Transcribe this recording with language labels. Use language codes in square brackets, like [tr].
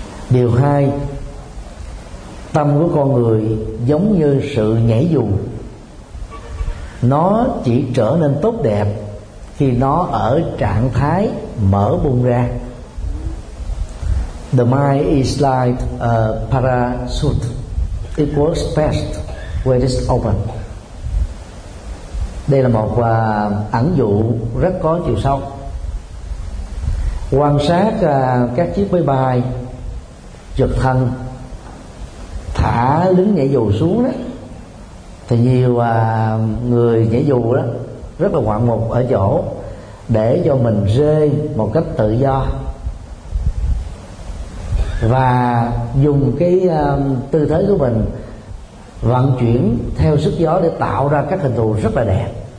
[vi] Điều hai, tâm của con người giống như sự nhảy dù, nó chỉ trở nên tốt đẹp khi nó ở trạng thái mở bung ra. [en] The mind is like a parachute, it works best when it's open. [vi] Đây là một ẩn dụ rất có chiều sâu. Quan sát các chiếc máy bay trực thăng thả lính nhảy dù xuống đó, thì nhiều người nhảy dù đó rất là ngoạn mục ở chỗ để cho mình rơi một cách tự do, và dùng cái tư thế của mình vận chuyển theo sức gió để tạo ra các hình thù rất là đẹp.